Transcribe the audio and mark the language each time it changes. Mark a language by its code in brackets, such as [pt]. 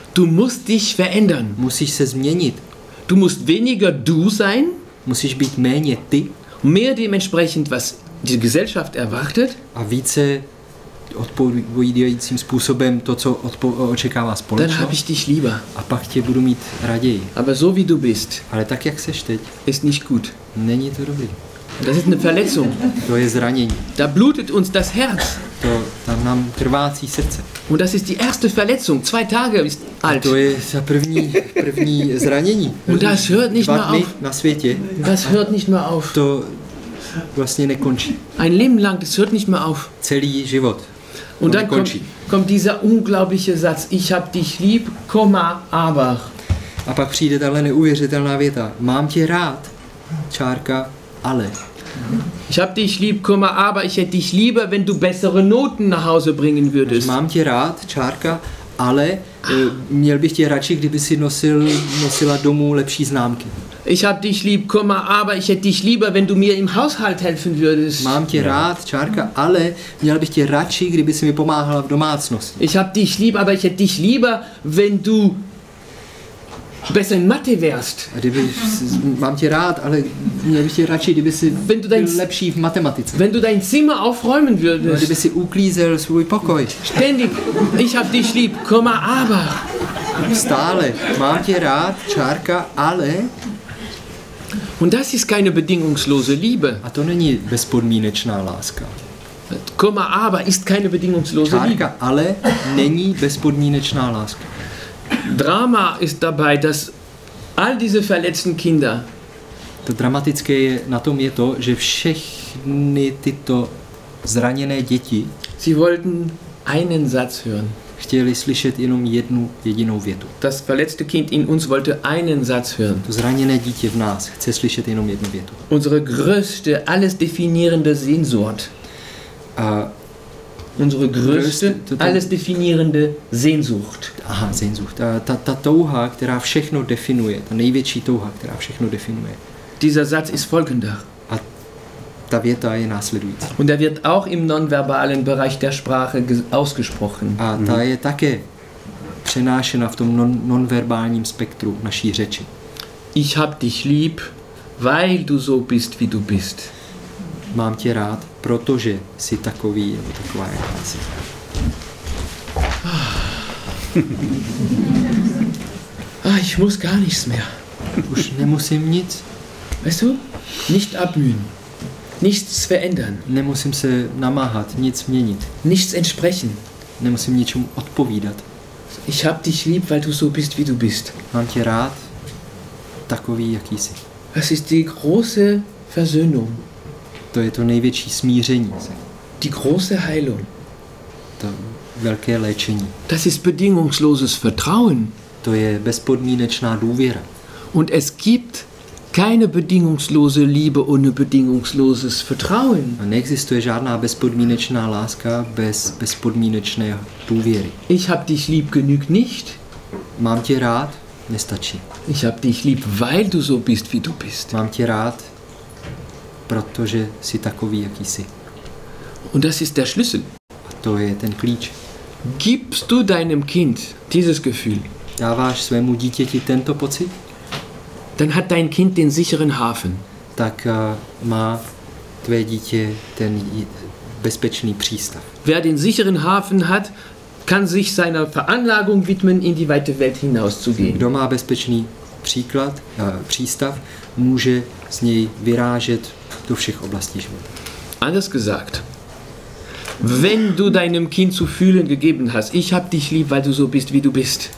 [de] Du musst dich verändern. [cs] Musíš se změnit. [de] Du musst weniger du sein. [cs] Musíš být méně ty. [de] Mehr dementsprechend, was die Gesellschaft erwartet. [cs] A více odpovídajícím způsobem to, co očekává společnost. [de] Dann hab ich dich lieber. [cs] A pak tě budu mít raději. [de] Aber so wie du bist. [cs] Ale tak, jak seš teď. [de] Ist nicht gut. [cs] Není to dobrý. [de] Das ist eine Verletzung. [cs] To je zranění. [de] Da blutet uns das Herz. [cs] To tam nám krvácí srdce. [de] Und das ist die erste Verletzung. Zwei Tage ist alt. [cs] A to je za první zranění. [de] Und das hört nicht mehr auf. [cs] Na světě. [de] Das hört nicht mehr auf. [cs] To vlastně nekončí. [de] Ein Leben lang, das hört nicht mehr auf. [cs] Celý život. [de] Und dann kommt dieser unglaubliche Satz. Ich hab dich lieb, aber. [cs] A pak přijde tahle neuvěřitelná věta. Mám tě rád, čárka. Alle. [de] Ich hab dich lieb, aber ich hätte dich lieber, wenn du bessere Noten nach Hause bringen würdest. [cs] Mám tě rád, čárka, ale měl bych tě radši, kdyby si nosila domů lepší známky. [de] Ich hab dich lieb, aber ich hätte dich lieber, wenn du mir im Haushalt helfen würdest. [cs] Mám tě rád, čárka, ale měl bych tě radši, kdyby si mi pomáhala v domácnosti. [de] Ich hab dich lieb, aber ich hätte dich lieber, wenn du besser in Mathe wärst. [cs] Mám tě rád, ale měl bych tě radši, kdyby si byl lepší v matematice. [de] Wenn du dein Zimmer aufräumen würdest. [cs] Kdyby si uklízel svůj pokoj. [de] Ständig, ich hab dich lieb, aber. [cs] Stále, mám tě rád, čárka, ale. [de] Und das ist keine bedingungslose Liebe. [cs] A to není bezpodmínečná láska. [de] Aber ist keine bedingungslose Liebe. [cs] Čárka, ale není bezpodmínečná láska. [de] Drama ist dabei, dass all diese verletzten Kinder. [cs] To dramatické je na tom je to, že všechny tyto zraněné děti. [de] Sie wollten einen Satz hören. [cs] Chtěli slyšet jenom jednu jedinou větu. [de] Das verletzte Kind in uns wollte einen Satz hören. [cs] To zraněné dítě v nás chce slyšet jenom jednu větu. [de] Unsere größte, alles definierende Sehnsucht. Unsere größte, alles definierende Sehnsucht. [cs] Aha, Sehnsucht. Ta touha, která všechno definuje. Ta největší touha, která všechno definuje. [de] dieser Satz ist folgender. [cs] A ta věta je následující. [de] Und er wird auch im nonverbalen Bereich der Sprache ausgesprochen. [cs] A ta je také přenášena v tom nonverbálním spektru naší řeči. [de] Ich hab dich lieb, weil du so bist, wie du bist. [cs] Mám tě rád, protože jsi takový, nebo taková jaká jsi. [de] Ah, ich muss gar nichts mehr. [cs] Už nemusím nic. [de] Weißt du? Nicht abmühen. Nichts verändern. [cs] Nemusím se namáhat, nic měnit. [de] Nichts entsprechen. [cs] Nemusím ničemu odpovídat. [de] Ich hab dich lieb, weil du so bist, wie du bist. [cs] Mám tě rád, takový, jaký jsi. [de] Es ist die große Versöhnung. [cs] To je to největší smíření. [de] Die große Heilung. [cs] To velké léčení. [de] Das ist bedingungsloses Vertrauen. [cs] To je bezpodmínečná důvěra. [de] Und es gibt keine bedingungslose Liebe ohne bedingungsloses Vertrauen. [cs] A neexistuje žádná bezpodmínečná láska bez bezpodmínečné důvěry. [de] Ich hab dich lieb genügt nicht. [cs] Mám tě rád, nestačí. [de] Ich hab dich lieb, weil du so bist, wie du bist. [cs] Mám tě rád, protože jsi takový, jaký jsi. [de] Und das ist der Schlüssel. [cs] A to je ten klíč. [de] Gibst du deinem Kind dieses Gefühl? [cs] Dáváš svému dítěti tento pocit? [de] Dann hat dein Kind den sicheren Hafen. [cs] Tak má tvé dítě ten bezpečný přístav. [de] Wer den sicheren Hafen hat, kann sich seiner Veranlagung widmen, in die weite Welt hinauszugehen. [cs] Kdo má bezpečný příklad, přístav, může z něj vyrážet do všech oblastí života. [de] Anders gesagt, wenn du deinem Kind zu fühlen gegeben hast, ich hab dich lieb, weil du so bist, wie du bist.